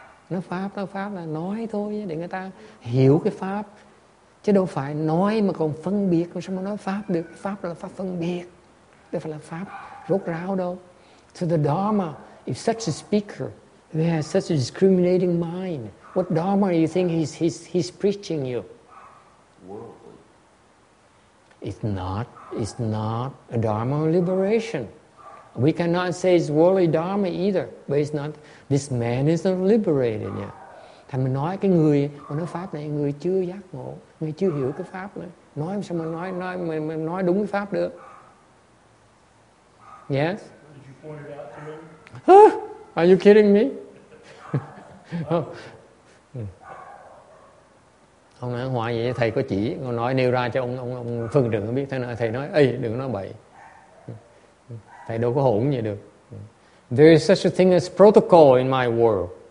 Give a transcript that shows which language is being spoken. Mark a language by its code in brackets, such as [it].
[vi] Nó Pháp là nói thôi để người ta hiểu cái Pháp. Chứ đâu phải nói mà còn phân biệt, sao mà nói Pháp được? Pháp là Pháp phân biệt, đâu phải là Pháp rốt ráo đâu. [en] So the Dharma, if such a speaker, who has such a discriminating mind, what Dharma do you think he's preaching you? Worldly. It's not a Dharma of liberation. We cannot say it's worldly Dharma either, but it's not, this man is not liberated yet. [vi] Thầy mình nói cái người mà nói Pháp này, người chưa giác ngộ, người chưa hiểu cái Pháp này. Nói sao mà nói đúng cái Pháp được. [en] Yes? Did you point it out to him? Huh? Are you kidding me? [vi] Ông nói hoài vậy, thầy có chỉ, ông nói nêu ra cho ông phương trưởng biết. Thầy nói, ê, đừng nói bậy. Thầy đâu có hổn vậy được. [en] There is such a thing as protocol in my world.